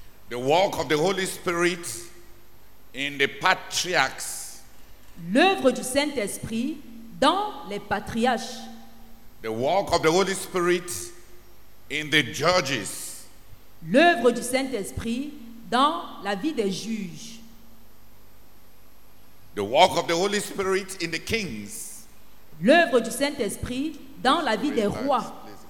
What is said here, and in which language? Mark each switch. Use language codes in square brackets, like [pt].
[en] The work of the Holy Spirit in the patriarchs. [fr] L'œuvre du Saint-Esprit dans les patriarches. [en] The work of the Holy Spirit in the judges. [fr] L'œuvre du Saint-Esprit dans la vie des juges. [en] The work of the Holy Spirit in the kings. [fr] L'œuvre du Saint-Esprit dans la vie des rois.